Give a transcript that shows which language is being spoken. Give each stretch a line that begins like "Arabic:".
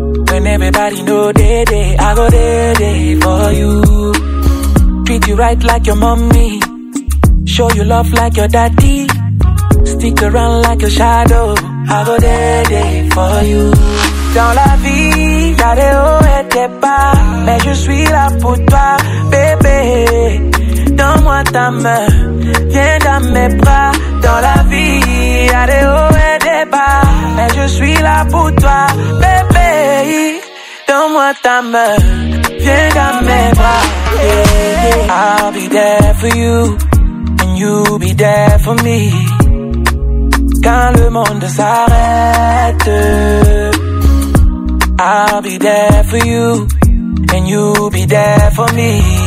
English: When everybody know they day, I go day for you. Treat you right like your mommy. Show you love like your daddy. Stick around like your shadow. I go day for you.
French: Dans la vie, y'a des hauts et des bas. Mais je suis là pour toi, bébé. Donne-moi ta main, viens dans mes bras. Dans la vie, y'a des hauts et des bas. Mais je suis là pour toi, bébé. Donne-moi ta main, viens dans mes bras. Yeah.
English: I'll be there for you, and you be there for me.
French: Quand le monde s'arrête.
English: I'll be there for you, and you be there for me.